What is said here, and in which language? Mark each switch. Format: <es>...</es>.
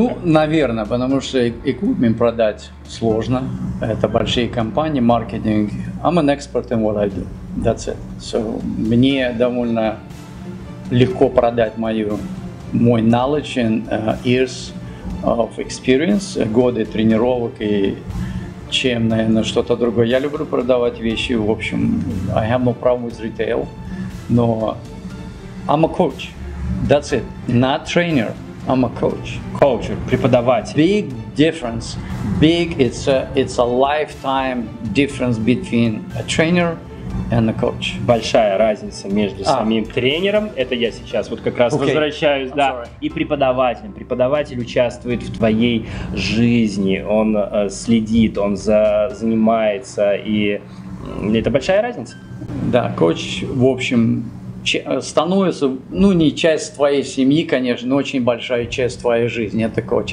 <ru>Ну, наверное, потому что equipment продать сложно, это большие компании, маркетинг.</ru> <en>I'm an expert in what I do, that's it.</en> <ru>So, мне довольно легко продать мой</ru> <en>knowledge and years of experience,</en> <ru>годы тренировок и чем, наверное, что-то другое. Я люблю продавать вещи, в общем,</ru> <en>I have no problem with retail,</en> <ru>но</ru> <en>I'm a coach, that's it, not trainer, I'm a coach.</en> <ru>Coach, преподаватель.</ru> <en>Big difference, it's a lifetime difference between a trainer and a coach.</en> <ru>Большая разница между самим тренером, это я сейчас вот как раз возвращаюсь,</ru> <en>I'm</en> <ru>да,</ru> <en>sorry.</en> <ru>И преподавателем. Преподаватель участвует в твоей жизни, он следит, он занимается, и это большая разница. Да, коуч, в общем, становится, ну, не часть твоей семьи, конечно, но очень большая часть твоей жизни, это коуч.</ru>